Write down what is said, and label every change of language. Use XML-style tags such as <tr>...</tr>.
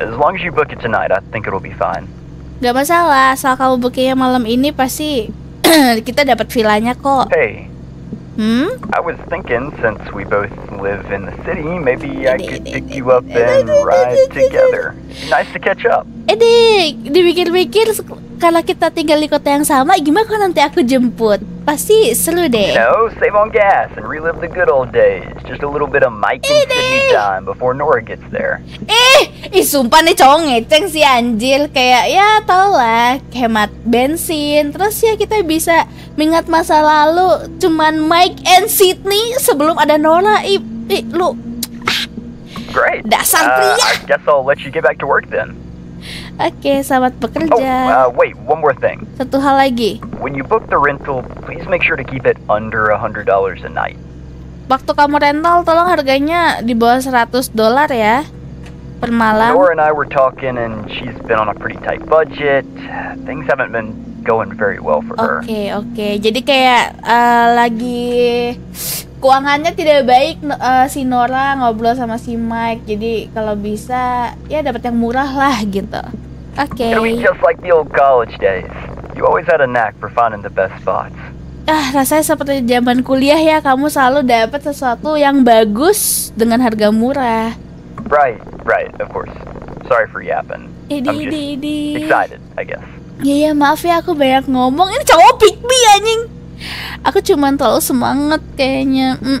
<en>As long as you book it tonight, I think it will be fine.</en> <id>Gak masalah, asal kamu bookingnya malam ini pasti kita dapat villanya kok.</id> <en>Hey. Hmm? I was thinking since we both live in the city, maybe I could pick you up and ride together. Nice to catch up.</en> <id>Dipikir-pikir kalau kita tinggal di kota yang sama, gimana kalau nanti aku jemput? Pasti seru deh.</id> <en>You know, save on gas and relive the good old days. Just a little bit of Mike and Sydney time before Nora gets there.</en> <id>Sumpah nih cowok ngeceng si anjir. Kayak ya tau lah, hemat bensin. Terus ya kita bisa mengingat masa lalu cuman Mike and Sydney sebelum ada Nora. Lu</id> <en>great.</en> <id>Dasar pria.</id> <en>I guess I'll let you get back to work then.</en> <id>Oke, selamat bekerja.</id> <en>Oh, wait, one more thing.</en> <id>Satu hal lagi.</id> <en>When you book the rental, please make sure to keep it under $100 a night.</en> <id>Waktu kamu rental, tolong harganya di bawah $100 ya per malam.</id> <en>Nora and I were talking and she's been on a pretty tight budget. Things haven't been going very well for her.</en> <id>Oke. Jadi kayak lagi keuangannya tidak baik, si Nora ngobrol sama si Mike. Jadi kalau bisa ya dapat yang murah lah gitu.</id> <en>Okay. It'll be just like the old college days. You always had a knack for finding the best spots.</en> <id>Rasanya seperti zaman kuliah ya. Kamu selalu dapat sesuatu yang bagus dengan harga murah.</id> <en>Right, of course. Sorry for yapping. Excited, I guess.</en> <id>Iya, maaf ya aku banyak ngomong. Ini cowok pikmi anjing. Aku cuma terlalu semangat kayaknya.</id>